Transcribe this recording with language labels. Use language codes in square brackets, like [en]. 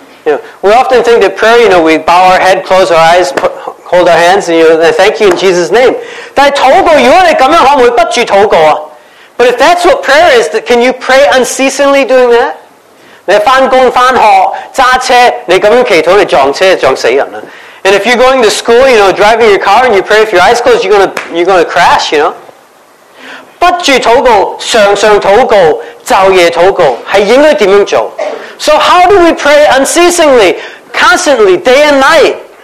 [en] You know, we often think that prayer, you know, we bow our head, close our eyes, hold our hands, and you know, thank you in Jesus' name. [zh] 但是祷告，如果你这样，可不可以不住祷告啊？ [en] But if that's what prayer is, can you pray unceasingly doing that? [zh] 你上班上学，驾车，你这样祈祷，你撞车，撞死人啊。 [en] And if you're going to school, you know, driving your car, and you pray with your eyes closed, you're going to crash, you know? [zh] 不住祷告，常常祷告，昼夜祷告，是应该怎样做？ [en] So how do we pray unceasingly, constantly, day and night?